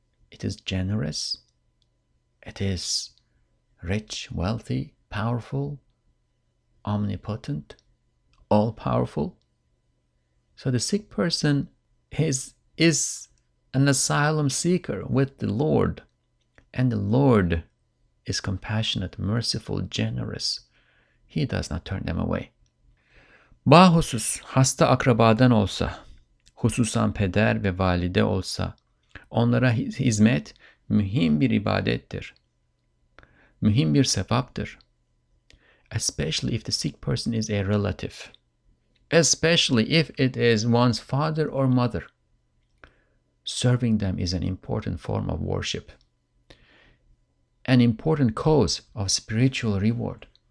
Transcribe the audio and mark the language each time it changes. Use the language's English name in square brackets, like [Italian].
[English] It is generous. It is rich, wealthy, powerful, omnipotent, all-powerful. So the sick person is an asylum seeker with the Lord, and the Lord is compassionate, merciful, generous. He does not turn them away. [Turkish] Bahusus hasta akrabadan olsa, hususan peder ve valide olsa, onlara hizmet mühim bir ibadettir, mühim bir sevaptır. [English] Especially if the sick person is a relative, especially if it is one's father or mother, serving them is an important form of worship, an important cause of spiritual reward.